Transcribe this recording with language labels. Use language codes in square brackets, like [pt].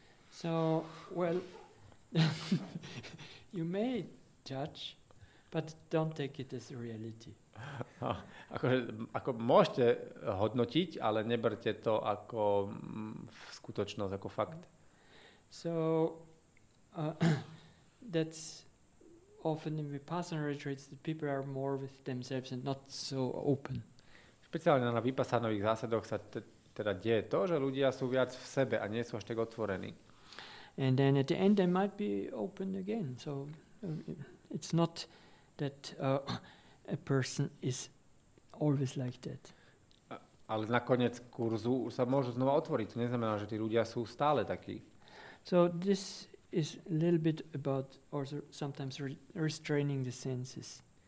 [en] So, well, you may judge, but don't take it as reality. [sk] Ako môžete hodnotiť, ale neberte to ako skutočnosť, ako fakt. [en] So, that's often in Vipassana retreats that people are more with themselves and not so open. [sk] Špeciálne na vypasanových zásadoch sa teda deje to, že ľudia sú viac v sebe a nie sú až tak otvorení. [en] And then at the end they might be open again. So it's not that a person is always like that. [sk] Ale nakoniec kurzu sa môžu znova otvoriť. To neznamená, že tí ľudia sú stále takí. [en] So this is a little bit about or sometimes restraining the senses.